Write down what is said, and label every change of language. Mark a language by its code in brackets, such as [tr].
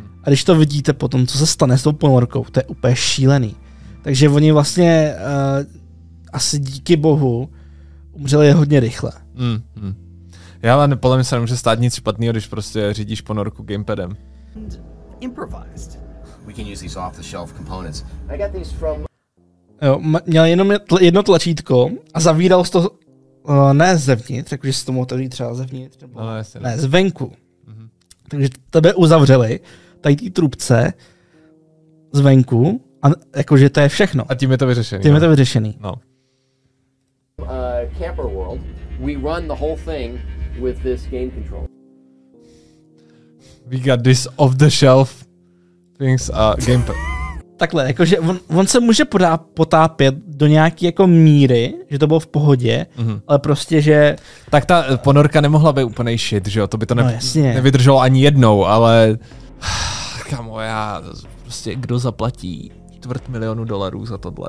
[cs] A když to vidíte potom, co se stane s tou ponorkou, to je úplně šílený. Takže oni vlastně asi díky bohu umřeli hodně rychle. Já ale podle mě se nemůže stát nic špatného, když prostě řídíš ponorku gamepadem. [en] We can use these off-the-shelf components. I got these from... [cs] Jo, měl jenom jedno tlačítko a zavíral to ne zevnitř, takže si to motorí třeba zevnitř, nebo no, jasně, ne, zvenku. Mm-hmm. Takže tebe uzavřeli tady ty trubce zvenku a jakože to je všechno. A tím je to vyřešený. Tím je to vyřešený. No. [en] Camper World, we run the whole thing with this game control. We got this off-the-shelf things gamepad. [cs] Takhle, jakože on se může potápět do nějaké jako míry, že to bylo v pohodě, ale prostě, že... Tak ta ponorka nemohla být úplně shit, že jo? To by to nevydrželo ani jednou, ale... Kamo, já... Prostě, kdo zaplatí $250,000 za tohle?